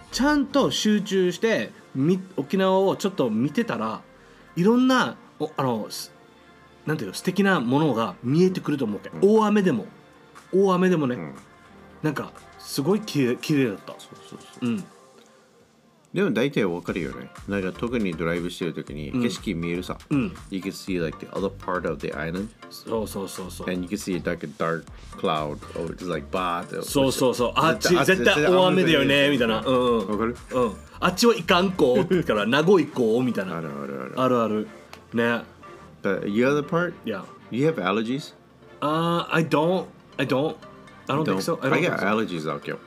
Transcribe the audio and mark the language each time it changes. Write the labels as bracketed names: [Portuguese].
[Japanese] ちゃんと集中して沖縄をちょっと見てたらいろんなあのなんていうの素敵なものが見えてくると思うけど、うん、大雨でもね、うん、なんかすごい綺麗だったそうそうそう、うんでも大体わかるよね。なんか特にドライブしてるときに景色見えるさ。うん、 [English] you can see like the other part of the island. [Japanese] そうそうそうそう。 [English] And you can see like a dark cloud or just like bad. [Japanese] そうそうそう。あっち絶対大雨だよねみたいな。うんうん。わかる。うん。あっちは行かんこうから名古屋行こうみたいな。あるあるある。あるある。ね。 [English] The other part? Yeah. You have allergies? I don't. I don't think so. I get allergies out here.